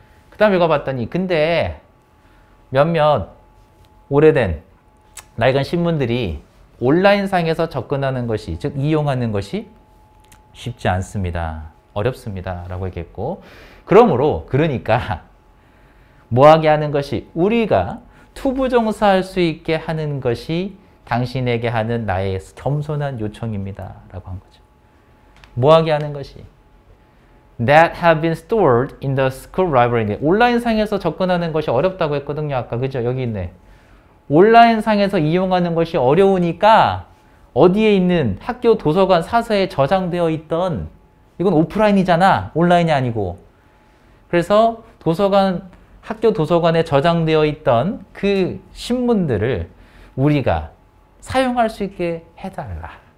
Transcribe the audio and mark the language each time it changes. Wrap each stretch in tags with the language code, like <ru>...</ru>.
<ko>그 다음 읽어봤더니 근데 몇몇 오래된 낡은 신문들이 온라인상에서 접근하는 것이, 즉 이용하는 것이 쉽지 않습니다. 어렵습니다. 라고 얘기했고 그러므로 그러니까 뭐하게 하는 것이 우리가 투부정사할 수 있게 하는 것이 당신에게 하는 나의 겸손한 요청입니다. 라고 한 거죠. 뭐하게 하는 것이</ko> <en>That have been stored in the school library.</en> <ko>온라인상에서 접근하는 것이 어렵다고 했거든요. 아까 그죠? 여기 있네. 온라인상에서 이용하는 것이 어려우니까 어디에 있는 학교 도서관 사서에 저장되어 있던 이건 오프라인이잖아. 온라인이 아니고. 그래서 도서관 학교 도서관에 저장되어 있던 그 신문들을 우리가 사용할 수 있게 해달라.</ko>